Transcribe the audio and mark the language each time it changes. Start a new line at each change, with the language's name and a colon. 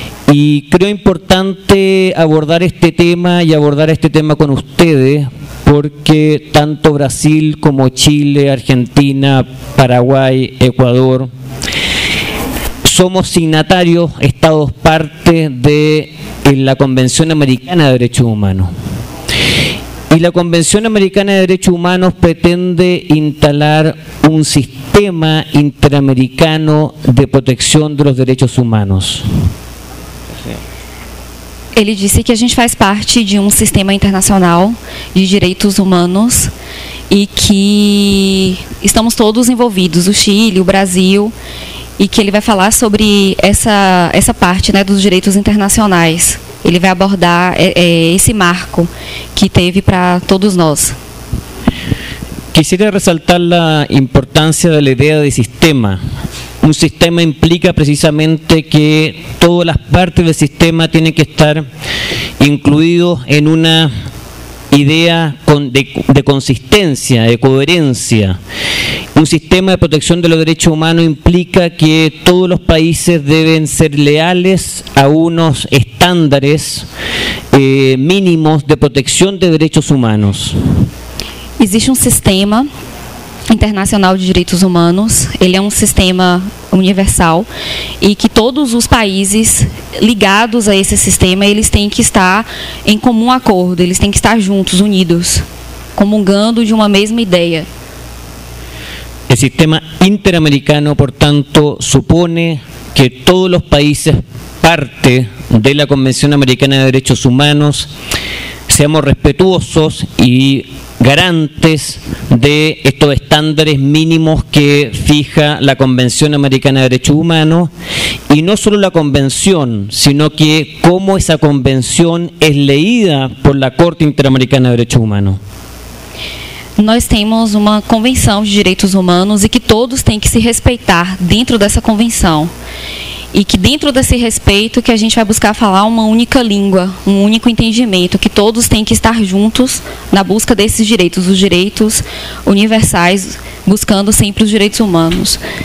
Spanish: Y creo importante abordar este tema y abordar este tema con ustedes, porque tanto Brasil como Chile, Argentina, Paraguay, Ecuador, somos signatarios, estados parte de la Convención Americana de Derechos Humanos. Y la Convención Americana de Derechos Humanos pretende instalar un sistema interamericano de protección de los derechos humanos.
Portuguese: Ele disse que a gente faz parte de um sistema internacional de direitos humanos e que estamos todos envolvidos, o Chile, o Brasil, e que ele vai falar sobre essa parte, né, dos direitos internacionais. Ele vai abordar esse marco que teve para todos nós.
Spanish: Quisiera resaltar la importancia de la idea de sistema. Un sistema implica precisamente que todas las partes del sistema tienen que estar incluidos en una idea de consistencia, de coherencia. Un sistema de protección de los derechos humanos implica que todos los países deben ser leales a unos estándares mínimos de protección de derechos humanos.
Portuguese: Existe un sistema internacional de direitos humanos, ele é um sistema universal e que todos os países ligados a esse sistema, eles têm que estar em comum acordo, eles têm que estar juntos, unidos, comungando de uma mesma ideia. O sistema interamericano, portanto, supõe que todos os países parte da Convenção Americana de Direitos Humanos
Spanish: seamos respetuosos e garantes de estos estándares mínimos que fija la Convención Americana de Derechos Humanos, y no solo la Convención, sino que cómo esa Convención es leída por la Corte Interamericana de Derechos Humanos.
Portuguese: Nós temos uma Convenção de Direitos Humanos e que todos têm que se respeitar dentro dessa Convenção. E que dentro desse respeito que a gente vai buscar falar uma única língua, um único entendimento, que todos têm que estar juntos na busca desses direitos, os direitos universais, buscando sempre os direitos humanos.